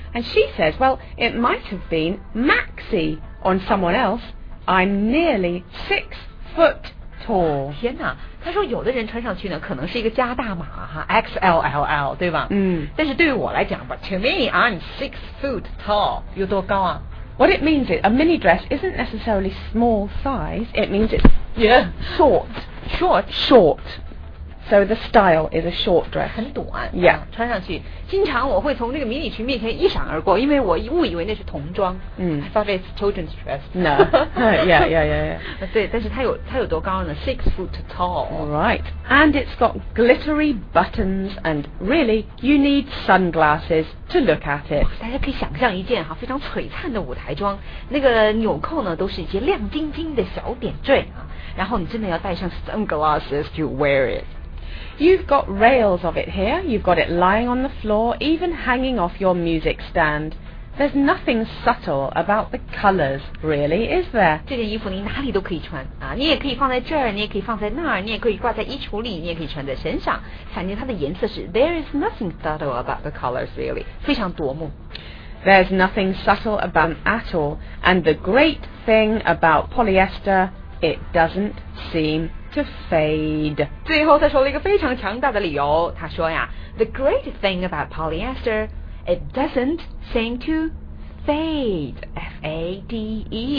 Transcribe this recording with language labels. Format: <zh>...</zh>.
<en>And she says Well it might have been maxi on someone else I'm nearly 6 foot tall</en> <zh>天哪他说有的人穿上去呢可能是一个加大码哈 XLLL 对吧嗯但是对于我来讲吧</zh> <en>To me I'm 6 foot tall</en> <zh>有多高啊</zh> <en>What it means is a mini dress isn't necessarily small size it means it's yeah short so the style is a short dress</en> <zh>很短</zh> <en>yeah、</en> <zh>穿上去经常我会从那个迷你裙面前一闪而过因为我误以为那是童装</zh> <en>I thought it's children's dress no yeah</en> <zh>对但是它有多高呢</zh> <en>6 foot tall alright and it's got glittery buttons and really you need sunglasses to look at it</en> <zh>大家可以想象一件非常璀璨的舞台装那个纽扣呢都是一些亮晶晶的小点缀然后你真的要戴上</zh> <en>sunglasses to wear it You've got rails of it here. You've got it lying on the floor, even hanging off your music stand. There's nothing subtle about the colors, really, is there?</en> <zh>这件衣服你哪里都可以穿啊！你也可以放在这儿，你也可以放在那儿，你也可以挂在衣橱里，你也可以穿在身上。反正它的颜色是</zh> <en>There is nothing subtle about the colors, really.</en> <zh>非常夺目。</zh> <en>There's nothing subtle about them at all. And the great thing about polyester, it doesn't seem. To fade.</en> <zh>最后他说了一个非常强大的理由他说呀</zh> <en>The great thing about polyester It doesn't seem to fade F-A-D-E</en>